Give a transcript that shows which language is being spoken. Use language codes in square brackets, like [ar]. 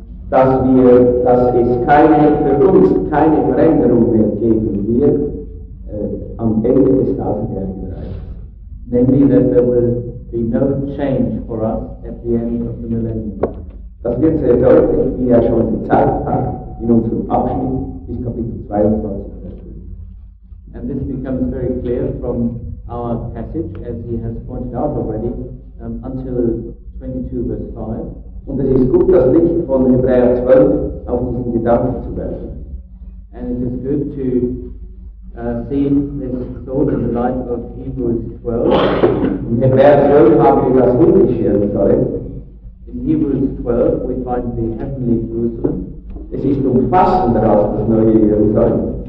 [de] dass es keine Veränderung mehr geben wird am Ende des Tausendjährigen. [en] Namely, that there will be no change for us at the end of the millennium. [de] Das wird sehr deutlich, wie er schon gezeigt hat, in unserem Abschnitt bis Kapitel 22. [en] And this becomes very clear from our passage, as he has pointed out already, until 22 verse 5. [de] Und es ist gut, das Licht von Hebräer 12 auf diesen Gedanken zu werfen. [en] And it is good to see this thought in the light of Hebrews 12. [de] In Hebräer 12 haben wir das himmlische Jerusalem. [en] In Hebrews 12 we find the heavenly Jerusalem. [de] Es ist umfassender als das neue Jerusalem.